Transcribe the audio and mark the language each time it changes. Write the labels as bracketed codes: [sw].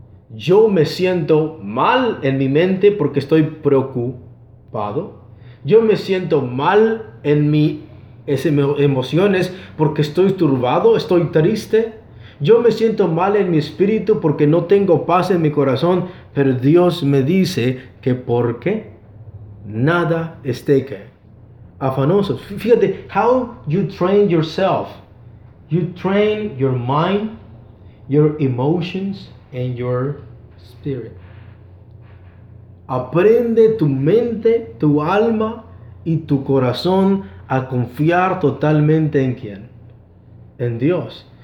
[es] Yo me siento mal en mi mente porque estoy preocupado. Yo me siento mal en mi emociones porque estoy turbado, estoy triste. Yo me siento mal en mi espíritu porque no tengo paz en mi corazón. Pero Dios me dice que ¿por qué? Nada esté que afanosos. Fíjate, [en] how you train yourself. You train your mind, your emotions, and your spirit. [es] Aprende tu mente, tu alma y tu corazón a confiar totalmente ¿en quién? En Dios.